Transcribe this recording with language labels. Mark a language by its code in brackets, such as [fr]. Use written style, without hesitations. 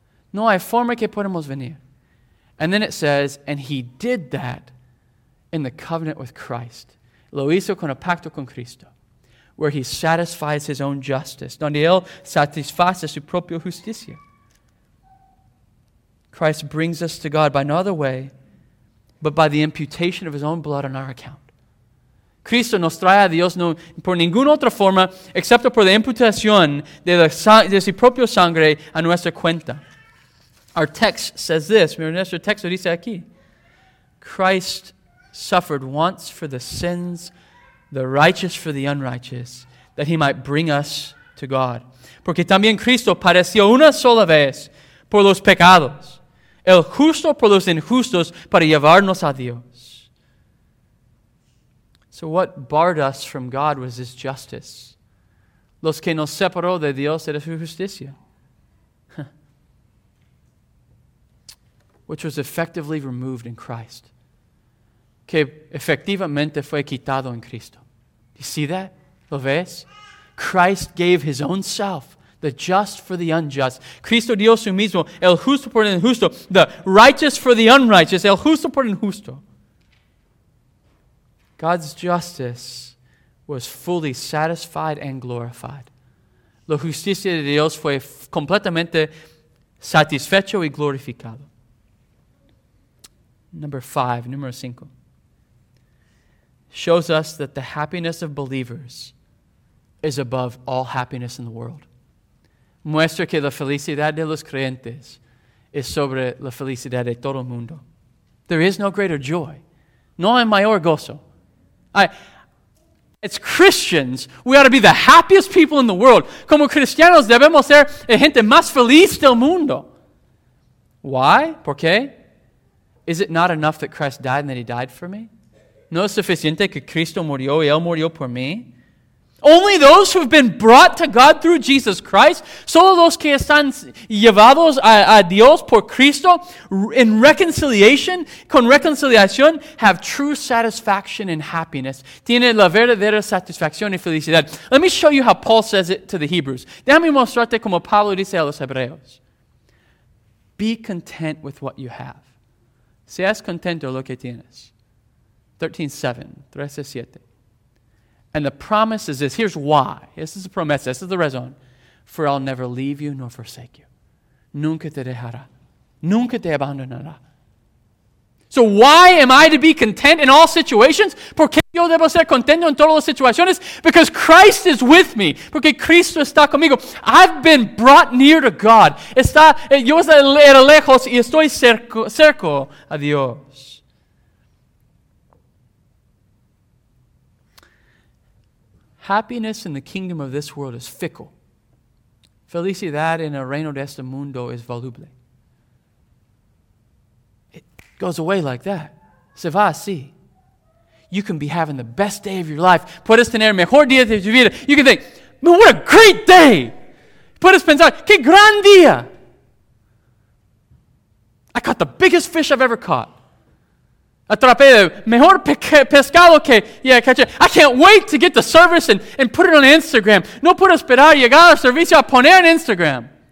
[es] No hay forma que podemos venir. [en] And then it says, and he did that in the covenant with Christ. [es] Lo hizo con el pacto con Cristo. [en] Where he satisfies his own justice. [es] Donde él satisface su propia justicia. [en] Christ brings us to God by no other way, but by the imputation of his own blood on our account. [es] Cristo nos trae a Dios no por ninguna otra forma, excepto por la imputación de su propio sangre a nuestra cuenta. [en] Our text says this. [es] Mira, nuestro texto dice aquí. [en] Christ suffered once for the sins, the righteous for the unrighteous, that he might bring us to God. [es] Porque también Cristo padeció una sola vez por los pecados, el justo por los injustos, para llevarnos a Dios. [en] So what barred us from God was his justice. [es] Los que nos separó de Dios era su justicia. [en] Which was effectively removed in Christ. [es] Que efectivamente fue quitado en Cristo. [en] You see that? [es] ¿Lo ves? [en] Christ gave his own self, the just for the unjust. [es] Cristo dio su mismo, el justo por el injusto, [en] the righteous for the unrighteous, [es] el justo por el injusto. [en] God's justice was fully satisfied and glorified. [es] La justicia de Dios fue completamente satisfecho y glorificado. Número cinco. [en] Shows us that the happiness of believers is above all happiness in the world. [es] Muestra que la felicidad de los creyentes es sobre la felicidad de todo el mundo. [en] There is no greater joy. [es] No hay mayor gozo. [en] As Christians, we ought to be the happiest people in the world. [es] Como cristianos debemos ser la gente más feliz del mundo. [en] Why? [es] ¿Por qué? [en] Is it not enough that Christ died and that he died for me? [es] No es suficiente que Cristo murió y Él murió por mí. [en] Only those who have been brought to God through Jesus Christ, [es] solo los que están llevados a Dios por Cristo [en] in reconciliation, [es] con reconciliación, [en] have true satisfaction and happiness. [es] Tiene la verdadera satisfacción y felicidad. [en] Let me show you how Paul says it to the Hebrews. [es] Déjame mostrarte como Pablo dice a los Hebreos. [en] Be content with what you have. [es] Seas contento lo que tienes. [en] 13:7. And the promise is this. Here's why. This is the promesa. This is the razón. For I'll never leave you nor forsake you. [es] Nunca te dejará. Nunca te abandonará. [en] So why am I to be content in all situations? [es] ¿Por qué yo debo ser contento en todas las situaciones? [en] Because Christ is with me. [es] Porque Cristo está conmigo. [en] I've been brought near to God. [es] Yo era lejos y estoy cerco a Dios. [en] Happiness in the kingdom of this world is fickle. [es] Felicidad en el reino de este mundo es voluble. [en] It goes away like that. [es] Se va así. [en] You can be having the best day of your life. [es] Puedes tener mejor día de tu vida. [en] You can think, man, what a great day. [es] Puedes pensar, qué gran día. [en] I caught the biggest fish I've ever caught. [es] Atrapé el mejor pescado que ya caché. [en] I can't wait to get the service and put it on Instagram. [es] No puedo esperar llegar al servicio a poner en Instagram.